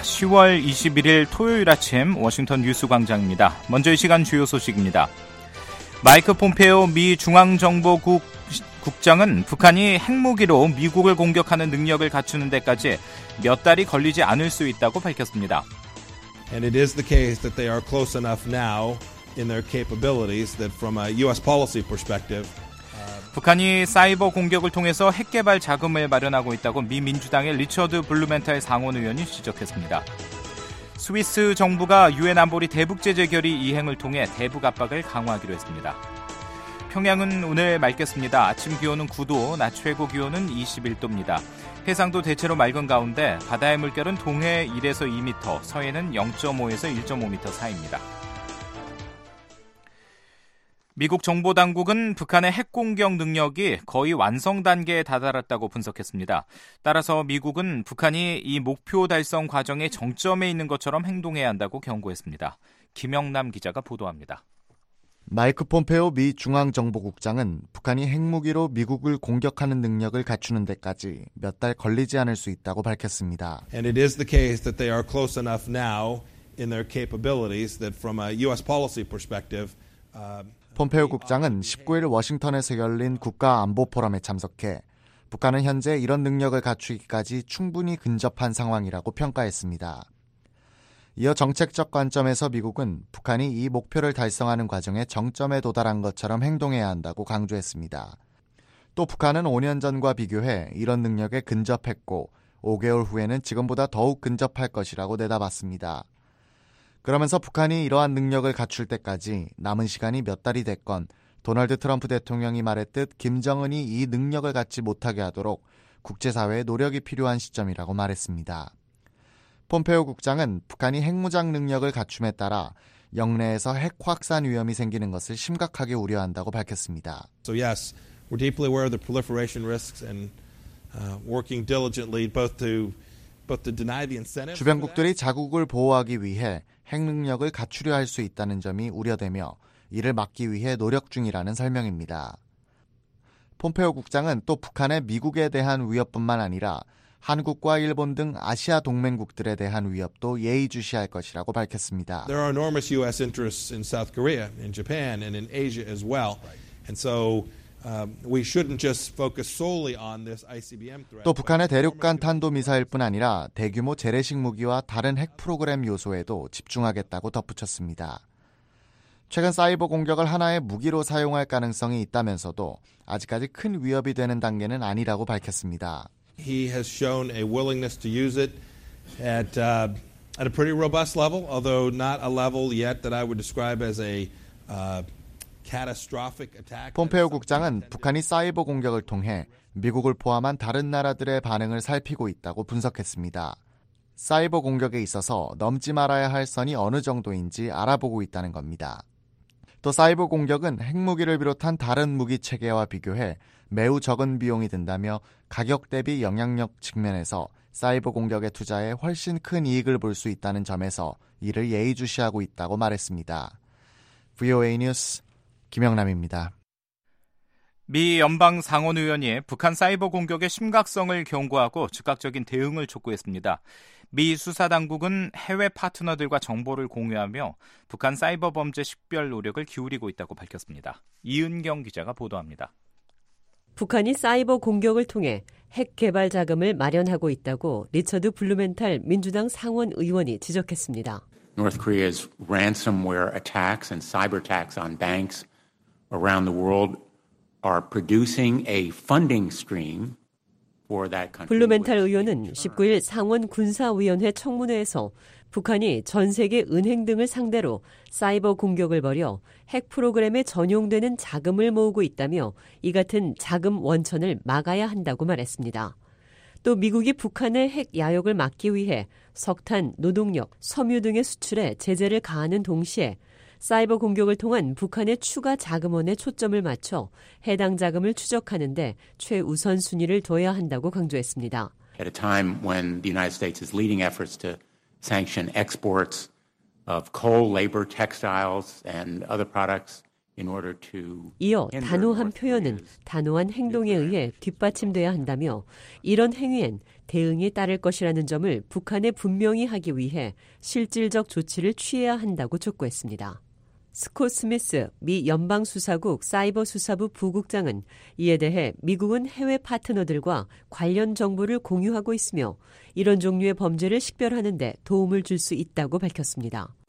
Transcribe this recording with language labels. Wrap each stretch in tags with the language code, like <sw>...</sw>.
<ko>10월 21일 토요일 아침 워싱턴 뉴스 광장입니다. 먼저 이 시간 주요 소식입니다. 마이크 폼페오 미 중앙정보국 국장은 북한이 핵무기로 미국을 공격하는 능력을 갖추는 데까지 몇 달이 걸리지 않을 수 있다고 밝혔습니다.</ko> <en>And it is the case that they are close enough now in their capabilities that from a US policy perspective</en> <ko>북한이 사이버 공격을 통해서 핵 개발 자금을 마련하고 있다고 미 민주당의 리처드 블루멘탈 상원의원이 지적했습니다. 스위스 정부가 유엔 안보리 대북 제재 결의 이행을 통해 대북 압박을 강화하기로 했습니다. 평양은 오늘 맑겠습니다. 아침 기온은 9도, 낮 최고 기온은 21도입니다. 해상도 대체로 맑은 가운데 바다의 물결은 동해 1에서 2m, 서해는 0.5에서 1.5m 사이입니다. 미국 정보당국은 북한의 핵공격 능력이 거의 완성 단계에 다다랐다고 분석했습니다. 따라서 미국은 북한이 이 목표 달성 과정의 정점에 있는 것처럼 행동해야 한다고 경고했습니다. 김영남 기자가 보도합니다. 마이크 폼페오 미 중앙정보국장은 북한이 핵무기로 미국을 공격하는 능력을 갖추는 데까지 몇 달 걸리지 않을 수 있다고 밝혔습니다.</ko> <en>And it is the case that they are close enough now in their capabilities that from a U.S. policy perspective</en> <ko>폼페오 국장은 19일 워싱턴에서 열린 국가안보포럼에 참석해 북한은 현재 이런 능력을 갖추기까지 충분히 근접한 상황이라고 평가했습니다. 이어 정책적 관점에서 미국은 북한이 이 목표를 달성하는 과정의 정점에 도달한 것처럼 행동해야 한다고 강조했습니다. 또 북한은 5년 전과 비교해 이런 능력에 근접했고 5개월 후에는 지금보다 더욱 근접할 것이라고 내다봤습니다. 그러면서 북한이 이러한 능력을 갖출 때까지 남은 시간이 몇 달이 됐건 도널드 트럼프 대통령이 말했듯 김정은이 이 능력을 갖지 못하게 하도록 국제사회의 노력이 필요한 시점이라고 말했습니다. 폼페오 국장은 북한이 핵무장 능력을 갖춤에 따라 영내에서 핵 확산 위험이 생기는 것을 심각하게 우려한다고 밝혔습니다.</ko> <en>So yes, we're deeply aware of the proliferation risks and working diligently both to deny the incentive.</en> <ko>주변국들이 자국을 보호하기 위해 핵 능력을 갖추려 할 수 있다는 점이 우려되며 이를 막기 위해 노력 중이라는 설명입니다. 폼페오 국장은 또 북한의 미국에 대한 위협뿐만 아니라 한국과 일본 등 아시아 동맹국들에 대한 위협도 예의주시할 것이라고 밝혔습니다.</ko> <en>There are enormous U.S. interests in South Korea, in Japan, and in Asia as well. And so we shouldn't just focus solely on this ICBM threat.</en> <ko>또 북한의 대륙간 탄도미사일뿐 아니라 대규모 재래식 무기와 다른 핵 프로그램 요소에도 집중하겠다고 덧붙였습니다. 최근 사이버 공격을 하나의 무기로 사용할 가능성이 있다면서도 아직까지 큰 위협이 되는 단계는 아니라고 밝혔습니다.</ko> <en>He has shown a willingness to use it at a pretty robust level, although not a level yet that I would describe as a catastrophic attack.</en> <ko>폼페오 국장은 북한이 사이버 공격을 통해 미국을 포함한 다른 나라들의 반응을 살피고 있다고 분석했습니다. 사이버 공격에 있어서 넘지 말아야 할 선이 어느 정도인지 알아보고 있다는 겁니다. 또 사이버 공격은 핵무기를 비롯한 다른 무기 체계와 비교해 매우 적은 비용이 든다며 가격 대비 영향력 측면에서 사이버 공격에 투자해 훨씬 큰 이익을 볼 수 있다는 점에서 이를 예의주시하고 있다고 말했습니다. VOA 뉴스 김영남입니다. 미 연방 상원의원이 북한 사이버 공격의 심각성을 경고하고 즉각적인 대응을 촉구했습니다. 미 수사당국은 해외 파트너들과 정보를 공유하며 북한 사이버 범죄 식별 노력을 기울이고 있다고 밝혔습니다. 이은경 기자가 보도합니다. 북한이 사이버 공격을 통해 핵 개발 자금을 마련하고 있다고 리처드 블루멘탈 민주당 상원 의원이 지적했습니다.</ko> <en>North Korea's ransomware attacks and cyber attacks on banks around the world are producing a funding stream for that country.</en> <ko>블루멘탈 의원은 19일 상원 군사위원회 청문회에서 북한이 전 세계 은행 등을 상대로 사이버 공격을 벌여 핵 프로그램에 전용되는 자금을 모으고 있다며 이 같은 자금 원천을 막아야 한다고 말했습니다. 또 미국이 북한의 핵 야욕을 막기 위해 석탄, 노동력, 섬유 등의 수출에 제재를 가하는 동시에 사이버 공격을 통한 북한의 추가 자금원에 초점을 맞춰 해당 자금을 추적하는 데 최우선 순위를 둬야 한다고 강조했습니다.</ko> <en>At a time when the United States is leading efforts to sanction exports of coal, labor, textiles, and other products in order to.</en> <ko>이어 단호한 표현은 단호한 행동에 의해 뒷받침돼야 한다며 이런 행위엔 대응이 따를 것이라는 점을 북한에 분명히 하기 위해 실질적 조치를 취해야 한다고 촉구했습니다. 스콧 스미스 미 연방수사국 사이버수사부 부국장은 이에 대해 미국은 해외 파트너들과 관련 정보를 공유하고 있으며 이런 종류의 범죄를 식별하는 데 도움을 줄 수 있다고 밝혔습니다.</ko>